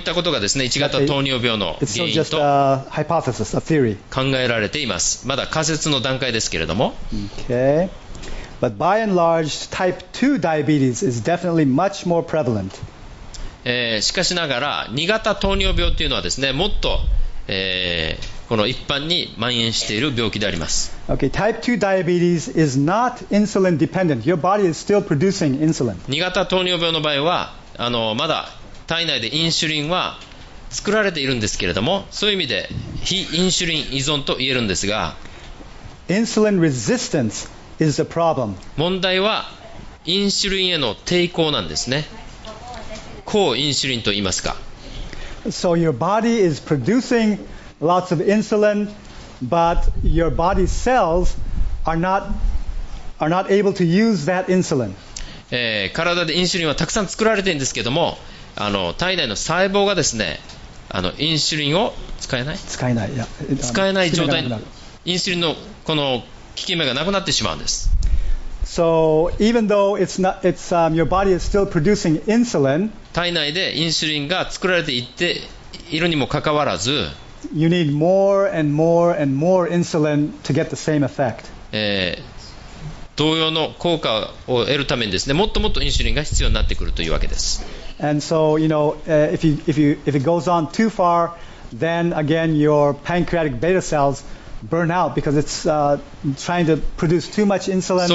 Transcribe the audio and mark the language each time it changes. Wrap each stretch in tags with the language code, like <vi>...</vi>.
<ja>ったことがですね、1型糖尿病の原因と</ja> <en>hypothesis, a theory.</en> <ja>考えられています。まだ仮説の段階ですけれども、</ja> <en>okay. But by and large, type 2 diabetes is definitely much more prevalent.</en> <ja>しかしながら2型糖尿病というのはですね、もっとこの一般に蔓延している病気であります。</ja> <en>Okay, type 2 diabetes is not insulin dependent. Your body is still producing insulin.</en> <ja>2型糖尿病の場合はまだ体内でインシュリンは作られているんですけれども、そういう意味で非インシュリン依存と言えるんですが、</ja> <en>Insulin resistance is the problem.</en> <ja>問題はインシュリンへの抵抗なんですね。抗インシュリンと言いますか。</ja> <en>So your body is producing lots of insulin, but your body cells are not able to use that insulin.</en> <ja>体でインシュリンはたくさん作られているんですけども、体内の細胞がですね、インシュリンを使えない。使えない。使えない状態。インシュリンのこの効き目がなくなってしまうんです。</ja> <en>So even though your body is still producing insulin,</en> <ja>体内でインシュリンが作られていっているにもかかわらず、</ja> <en>you need more and more and more insulin to get the same effect.</en> <ja>同様の効果を得るためにですね、もっともっとインシュリンが必要になってくるというわけです。</ja> <en>And so you know, if it goes on too far, then again your pancreatic beta cells burn out because it's trying to produce too much insulin.</en>